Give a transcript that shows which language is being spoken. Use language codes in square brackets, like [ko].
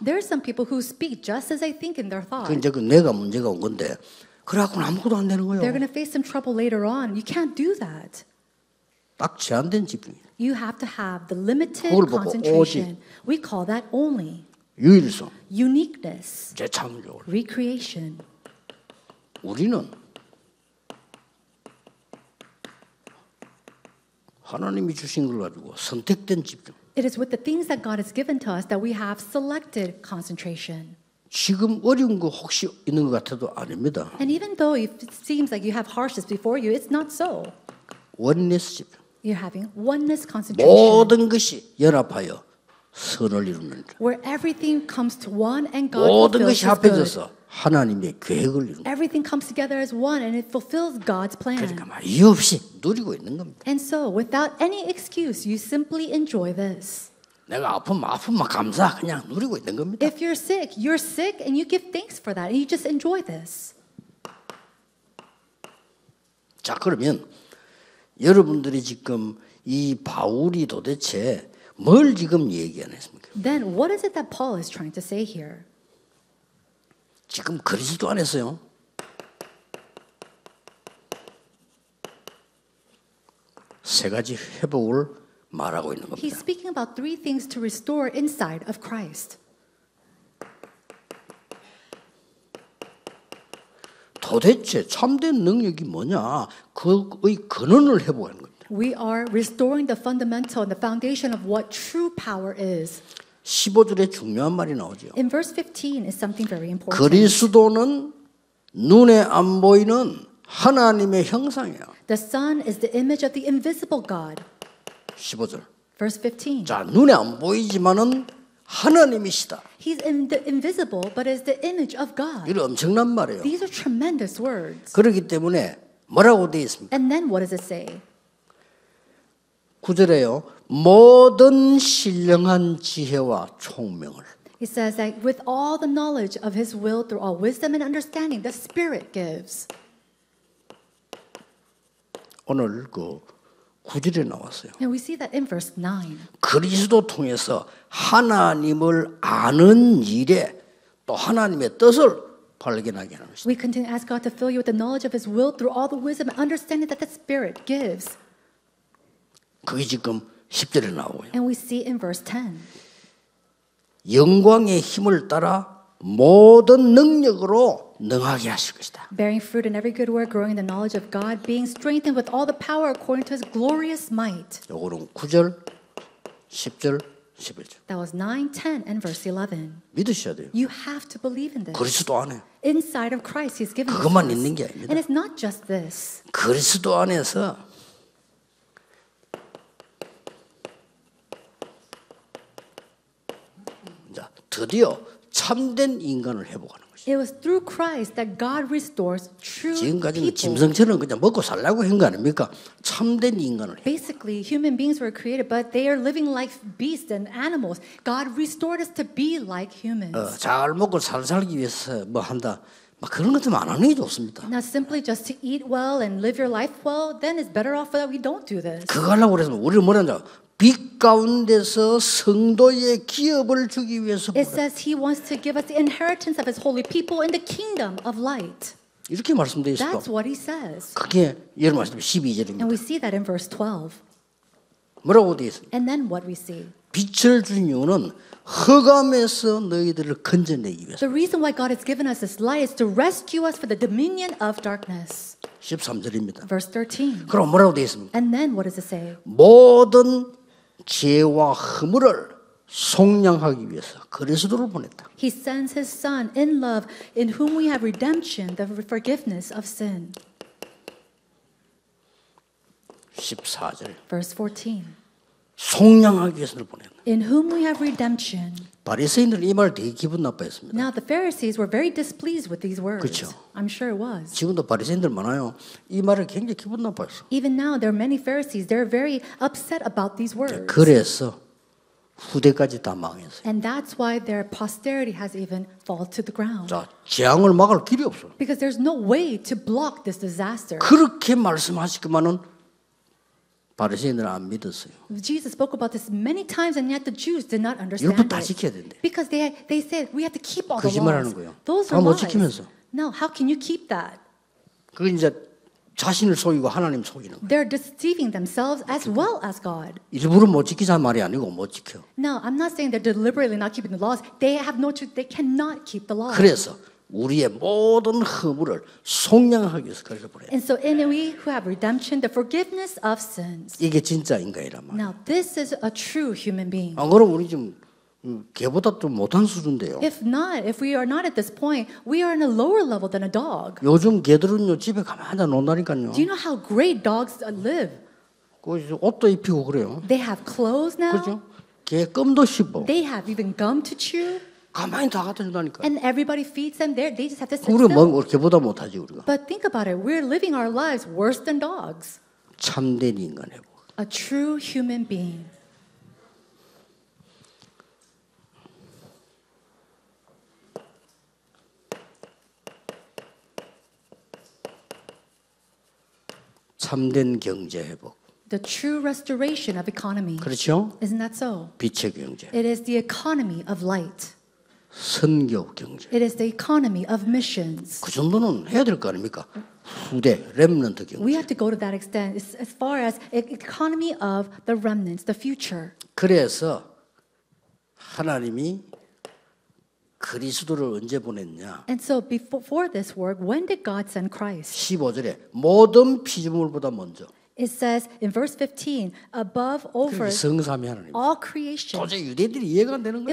[en] There are some people who speak just as they think in their thoughts. [ko] 근데 그 내가 문제가 온 건데. 그래갖고 아무것도 안 되는 거예요. [en] They're going to face some trouble later on. You can't do that. [ko] 딱 제한된 집중이에요. [en] You have to have the limited concentration. [ko] 오지. [en] We call that only. [ko] 유일성. [en] Uniqueness. [ko] 재창조. [en] Recreation. [ko] 우리는 하나님이 주신 걸 가지고 선택된 집중. [en] It is with the things that God has given to us that we have selected concentration. [ko] 지금 어려운 거 혹시 있는 것 같아도 아닙니다. [en] And even though it seems like you have harshness before you, it's not so. [ko] 원리스 집중. [en] You're having oneness concentration. [ko] 모든 것이 연합하여 선을 이루는. [en] Where everything comes to one and God. [ko] 모든 것이 합해져서 하나님의 계획을 이루는. [en] Everything comes together as one and it fulfills God's plan. [ko] 그러니까 말 이유 없이 누리고 있는 겁니다. [en] And so, without any excuse, you simply enjoy this. [ko] 내가 아프면 감사 그냥 누리고 있는 겁니다. [en] If you're sick, you're sick and you give thanks for that and you just enjoy this. [ko] 자 그러면. 여러분들이 지금 이 바울이 도대체 뭘 지금 얘기하겠습니까? [en] Then what is it that Paul is trying to say here? [ko] 지금 그리스도 안에서요. 세 가지 회복을 말하고 있는 겁니다. [en] He's speaking about three things to restore inside of Christ. [ko] 도대체 참된 능력이 뭐냐? 그의 근원을 회복하는 겁니다. [en] We are restoring the fundamental and the foundation of what true power is. [ko] 15절에 중요한 말이 나오죠. [en] In verse 15 is something very important. [ko] 그리스도는 눈에 안 보이는 하나님의 형상이야. [en] The Son is the image of the invisible God. [ko] 15절. [en] Verse 15. [ko] 자, 눈에 안 보이지만은 하나님이시다. [en] He's invisible, but is the image of God. [ko] 이 엄청난 말이에요. [en] These are tremendous words. [ko] 그렇기 때문에 뭐라고 돼 있습니까? [en] And then what does it say? [ko] 구절에요. 모든 신령한 지혜와 총명을. [en] It says that with all the knowledge of His will through all wisdom and understanding, the Spirit gives. [ko] 오늘 그 구절에 나왔어요. [en] And we see that in verse 9. [ko] 그리스도 통해서 하나님을 아는 일에 또 하나님의 뜻을 발견하게 하는 것입니다. [en] We continue to ask God to fill you with the knowledge of His will through all the wisdom and understanding that the Spirit gives. [ko] 그게 지금 10절에 나오고요. [en] And we see in verse 10. [ko] 영광의 힘을 따라 모든 능력으로 능하게 하실 것이다. [en] Bearing fruit in every good work, growing in the knowledge of God, being strengthened with all the power according to His glorious might. [ko] 요거는 9절, 10절, 11절. [en] That was 9, 10, and verse 11. [ko] 믿으셔야 돼요. [en] You have to believe in this. [ko] 그리스도 안에. [en] Inside of Christ, He's given. [ko] 그것만 있는 게 아닙니다. [en] And it's not just this. [ko] 그리스도 안에서 자 드디어 참된 인간을 회복하는. [en] It was through Christ that God restores true people. [ko] 지금까지는 짐승처럼 그냥 먹고 살라고 한 거 아닙니까? 참된 인간을. [en] Basically, human beings were created, but they are living like beasts and animals. God restored us to be like humans. [ko] 잘 먹고 잘 살기 위해서 뭐 한다. 막 그런 것들 안 하는 게 좋습니다. [en] Now, simply just to eat well and live your life well, then it's better off that we don't do this. [ko] 그거 하려고 그랬으면 우리를 뭐라 한다. 빛 가운데서 성도의 기업을 주기 위해서 [en] It says he wants to give us the inheritance of his holy people in the kingdom of light. [ko] 이렇게 말씀되어 있어요. [en] That's what he says. [ko] 그게 예를 말씀드리면 12절입니다. [en] And we see that in verse 12. [ko] 뭐라고 되어 있어요? [en] And then what we see. [ko] 빛을 준 이유는 흑암에서 너희들을 건져내기 위해서. [en] The reason why God has given us this light is to rescue us from the dominion of darkness. [ko] 13절입니다. [en] Verse 13. [ko] 그럼 뭐라고 되어 있습니까? [en] And then what does it say? [ko] 모든 죄와 허물을 속량하기 위해서 그리스도를 보냈다. [en] He sends his son in love in whom we have redemption, the forgiveness of sin. [ko] 14절. [en] Verse 14. [ko] 속량하기 위해서를 보냈다. [en] In whom we have redemption. [ko] 바리새인들은 이 말 되게 기분 나빠했습니다. [en] Now the Pharisees were very displeased with these words. [ko] 그쵸? [en] I'm sure it was. [ko] 지금도 바리새인들 많아요. 이 말을 굉장히 기분 나빠했어. [en] Even now there are many Pharisees. They're very upset about these words. [ko] 그래서 후대까지 다 망했어요. [en] And that's why their posterity has even fallen to the ground. [ko] 자, 재앙을 막을 길이 없어. [en] Because there's no way to block this disaster. [ko] 그렇게 말씀하시기만은 바리새인들은 안 믿었어요. [en] Jesus spoke about this many times, and yet the Jews did not understand. [ko] 율법 다 지켜야 된대. [en] Because they said we have to keep all the laws. [ko] 거짓말하는 거예요. [en] Those are lies. [ko] 못 지키면서. [en] No, how can you keep that? [ko] 그 이제 자신을 속이고 하나님 속이는 거예요. [en] They're deceiving themselves as well as God. [ko] 일부러 못 지키자 말이 아니고 못 지켜. [en] No, I'm not saying they're deliberately not keeping the laws. They have no truth. They cannot keep the laws. [ko] 그래서 우리의 모든 허물을 속량하기 위해서 그렇게 보내. [en] And so in we who have redemption, the forgiveness of sins. [ko] 이게 진짜 인간이란 말이야. [en] Now this is a true human being. [ko] 안 그러면 우리 지금 개보다 좀 못한 수준인데요. [en] If not, if we are not at this point, we are in a lower level than a dog. [ko] 요즘 개들은요 집에 가만히 앉아 논다니까요. [en] Do you know how great dogs live? [ko] 옷도 입히고 그래요. [en] They have clothes now. [ko] 그렇죠? 개 껌도 씹어. [en] They have even gum to chew. [ko] 가만히 다 갖다 준다니까. [en] And everybody feeds them there. They just have to sit. [ko] 우리 뭔 개보다 못하지 우리가. [en] But think about it. We're living our lives worse than dogs. [ko] 참된 인간 해보. [en] A true human being. [ko] 참된 경제 회복. [en] The true restoration of economy. [ko] 그렇죠? [en] Isn't that so? [ko] 빛의 경제. [en] It is the economy of light. [ko] 선교 경제. [en] It is the economy of missions. [ko] 그 정도는 해야 될 거 아닙니까? 후대, remnant 경제. [en] We have to go to that extent as far as economy of the remnants, the future. [ko] 그래서 하나님이 그리스도를 언제 보냈냐? [en] And so before this work, when did God send Christ? [ko] 15절에 모든 피조물보다 먼저. [en] It says in verse 15, above, over, all creation. [ko] 도대체 유대인들이 이해가 안 되는 거야.